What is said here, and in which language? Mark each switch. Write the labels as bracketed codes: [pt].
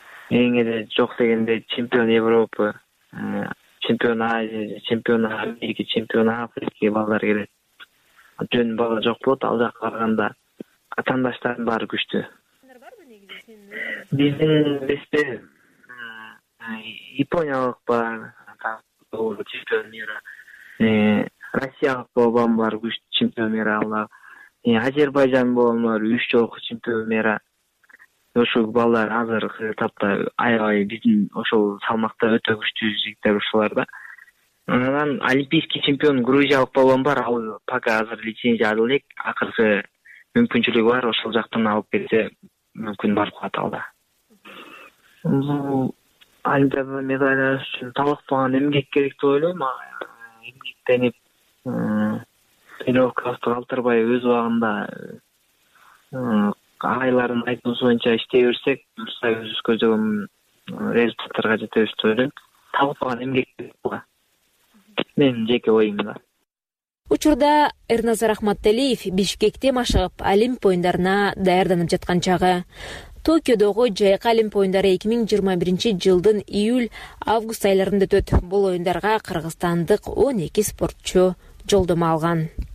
[ky] Эң эле жок дегенде чемпион Европа, чемпион Азия, чемпион Америка, чемпион Африка балдар келет. Жөн бала жок болот ал жака барганда. Атаандаштардын баары күчтүү. Биздин бизде япониялык бар, [ru] чемпион мира, [ky] россиялык балбан бар күчтүү [ru] чемпион мира [ky] алар. Азербайжан балбар 3 жолку [ru] чемпион мира. [ky] Ошол балдар азыркы этапта аябай биздин ошол салмакта өтө күчтүү жигиттер ушулар да. Анан [ru] олимпийский чемпион [ky] грузиялык балбан бар, ал пока азыр лицензия ала элек, акыркы мүмкүнчүлүгү бар, ошол жактан алып келсе мүмкүн барып калат ал да. [kk] Олимпиада медалі үшін талықпаған емгек керек деп ойлаймын. Маған емгектеніп тренировкасы қалтырбай өз уағында айларын айтуы бойынша іштей берсек бұрса өз көздеген результаттарға жетеміз деп ойлаймын. Талықпаған емгек керек бола. Менің жеке ойымда. [ky] Учурда Эрназар Ахматталиев Бишкекте машыгып, Олимп оюндарына даярданып жаткан чагы. Токиодогу жайка Олимп оюндары 2021 жылдын июль-август айларында өтөт. Бул оюндарга кыргызстандык 12 спортчу жолдома алган.